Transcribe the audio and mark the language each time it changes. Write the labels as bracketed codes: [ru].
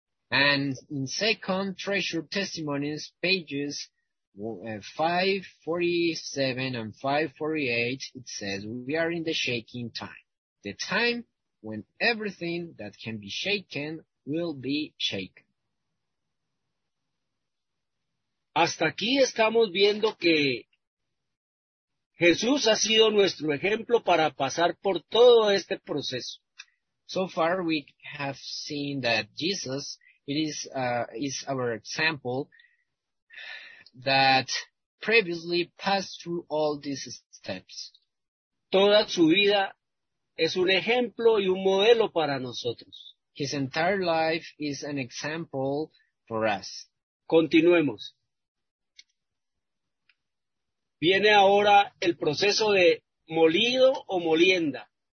[en] And in Second Treasure Testimonies, pages 547 and 548, it says, "We are in the shaking time, the time when everything that can be shaken will be shaken." [es] Hasta aquí estamos viendo que Jesús ha sido nuestro ejemplo para pasar por todo este proceso. [en] So far we have seen that Jesus, is our example that previously passed through all these steps. [es] Toda su vida es un ejemplo y un modelo para nosotros. [en] His entire life is an example for us. [es] Continuemos. Viene ahora el proceso de molido o molienda.